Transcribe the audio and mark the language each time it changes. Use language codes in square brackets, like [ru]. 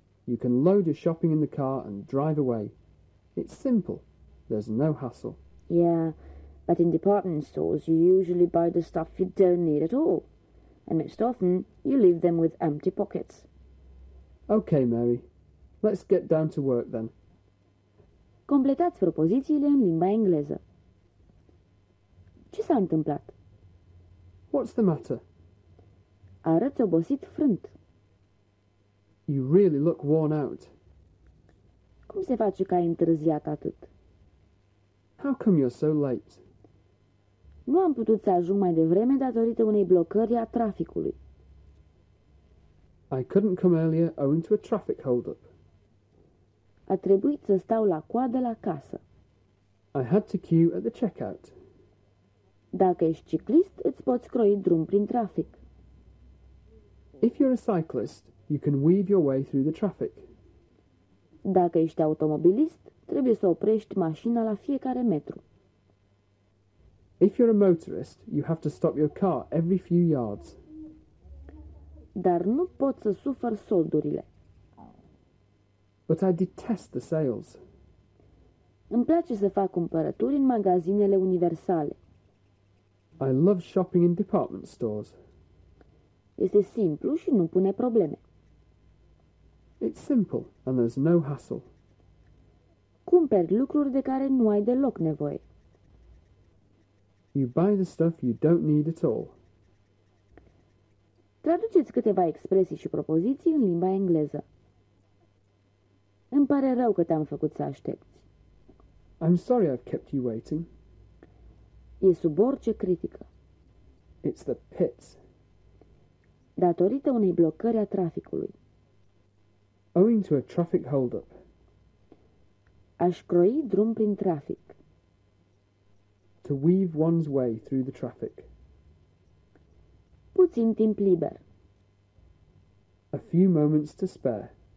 [en] You can load your shopping in the car and drive away. It's simple. There's no hassle. Yeah, but in department stores, you usually buy the stuff you don't need at all. And most often, you leave them with empty pockets. Okay, Mary. Let's get down to work then. [ro] Completați propozițiile în limba engleză. Ce s-a întâmplat? [en] What's the matter? [ro] Arăți obosit frânt. [en] You really look worn out. [ro] Cum se face că ai întârziat atât? [en] How come you're so late? [ro] Nu am putut să ajung mai devreme datorită unei blocări a traficului. [en] I couldn't come earlier owing to a traffic hold-up. [ro] A trebuit să stau la coadă la casă. [en] I had to queue at the checkout. [ro] Dacă ești ciclist, îți poți croi drum prin trafic. [en] If you're a cyclist, you can weave your way through the traffic. [ro] Dacă ești automobilist, trebuie să oprești mașina la fiecare metru. [en] If you're a motorist, you have to stop your car every few yards. [ro] Dar nu pot să sufăr soldurile. [en] But I detest the sales. [ro] Îmi place să fac cumpărături în magazinele universale. [en] I love shopping in department stores. [ro] Este simplu și nu pune probleme. [en] It's simple and there's no hassle. [ro] Cumperi lucruri de care nu ai deloc nevoie. [en] You buy the stuff you don't need at all. [ro] Traduceți câteva expresii și propoziții în limba engleză. Îmi pare rău că te-am făcut să aștepți. [en] I'm sorry I've kept you waiting. [ro] E sub orice critică. [en] It's the pits. [ro] Datorită unei blocări a traficului. [en] Owing to a traffic hold-up. [ro] Aș croi drum prin trafic. [en] To weave one's way through the traffic. [ro] Puțin timp liber. [en] A few moments to spare.